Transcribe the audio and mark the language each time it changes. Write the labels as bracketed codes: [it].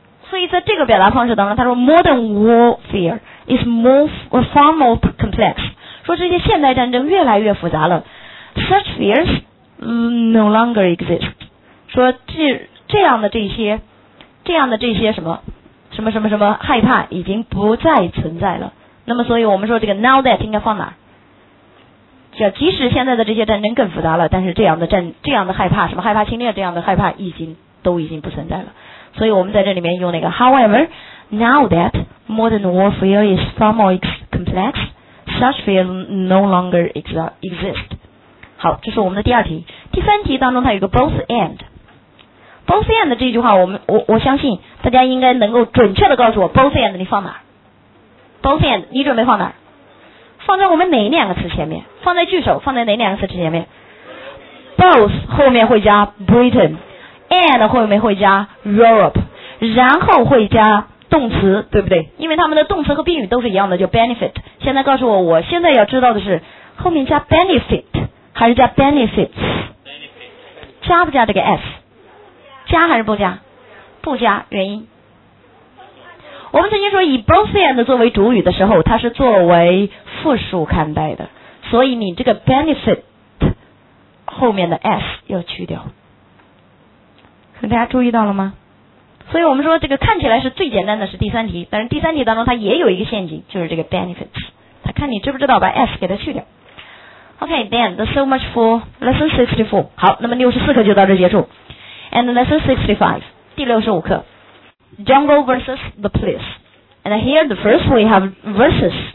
[zh] 所以在这个表达方式当中，他说 [en] modern warfare is far more complex， [zh] 说这些现代战争越来越复杂了， [en] such fears no longer exist， [zh] 说这样的这些什么什么什么什么害怕已经不再存在了。那么所以我们说这个 now that 应该放哪儿？叫即使现在的这些战争更复杂了，但是这样的害怕，什么害怕侵略，这样的害怕都已经不存在了。所以我们在这里面用那个 [en] however now that modern warfare is far more complex such fear no longer exist。 [zh] 好，这是我们的第二题。第三题当中它有一个 both and 这句话我相信大家应该能够准确的告诉我 both and 你放哪儿？ both and 你准备放哪儿？放在我们哪两个词前面？放在句首，放在哪两个词前面？both 后面会加 Britain， and 后面会加 Europe， 然后会加动词，对不对？因为他们的动词和宾语都是一样的，就 benefit。现在告诉我现在要知道的是后面加 benefit 还是加 benefits， 加不加这个 s？ 加还是不加？不加，原因我们曾经说以 both and 作为主语的时候它是作为复数看待的，所以你这个 benefit 后面的 s 要去掉，大家注意到了吗？所以我们说这个看起来是最简单的是第三题，但是第三题当中它也有一个陷阱，就是这个 benefits， 它看你知不知道把 s 给它去掉。 [en] OK then that's so much for lesson 64。 [zh] 好，那么64课就到这结束。 [en] and lesson 65 [zh] 第65课 [en] Jungle versus the police. And here the first we have versus.